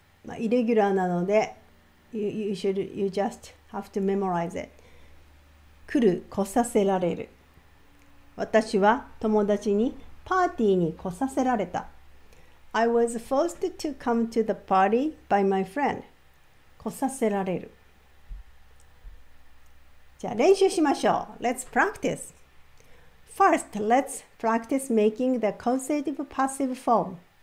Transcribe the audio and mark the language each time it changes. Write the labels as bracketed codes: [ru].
[en] まあ、irregularなので、you just have to memorize it. [ja] 来る、来させられる。私は友達にパーティーに来させられた。 [en] I was forced to come to the party by my friend. [ja] 来させられる。じゃあ練習しましょう。 [en] Let's practice. First, let's practice making the causative passive form.